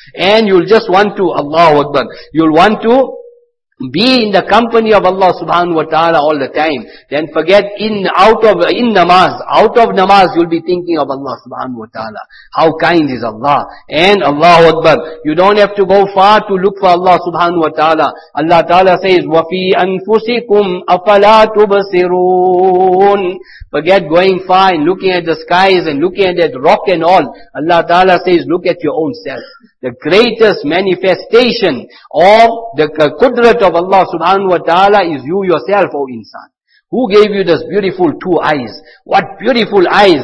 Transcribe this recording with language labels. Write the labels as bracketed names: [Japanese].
[English] And you'll just want to, Allahu Akbar, you'll want to be in the company of Allah subhanahu wa ta'ala all the time. Then forget out of namaz you'll be thinking of Allah subhanahu wa ta'ala. How kind is Allah? And Allahu Akbar, you don't have to go far to look for Allah subhanahu wa ta'ala. Allah ta'ala says, [Arabic] وَفِي أَنفُسِكُمْ أَفَلَا تُبَصِرُونَ. [English] Forget going far and looking at the skies and looking at that rock and all. Allah ta'ala says, look at your own self. The greatest manifestation of the qudrat of Allah subhanahu wa ta'ala is you yourself, O insan. Who gave you this beautiful two eyes? What beautiful eyes!